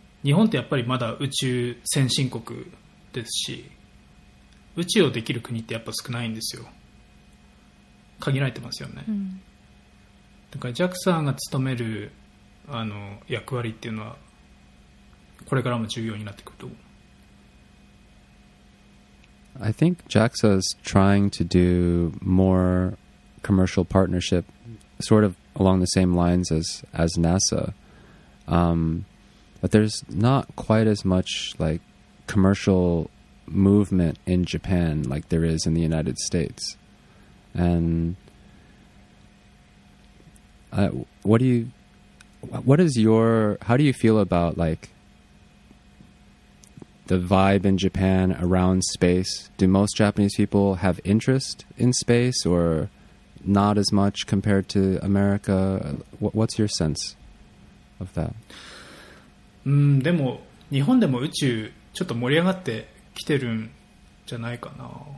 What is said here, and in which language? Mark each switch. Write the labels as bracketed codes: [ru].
[ja] 日本ってやっぱりまだ宇宙先進国ですし、宇宙をできる国ってやっぱ少ないんですよ。限られてますよね。うん、だから JAXA が務めるあの役割っていうのはこれからも重要になってくると思う。 [en] I think JAXA is trying to do more commercial partnership, sort of along the same lines as NASA. But there's not quite as much like commercial movement in Japan like there is in the United States. And how do you feel about like the vibe in Japan around space? Do most Japanese people have interest in space or not as much compared to America? What's your sense of that? [ja] でも日本でも宇宙ちょっと盛り上がってきてるんじゃないかな。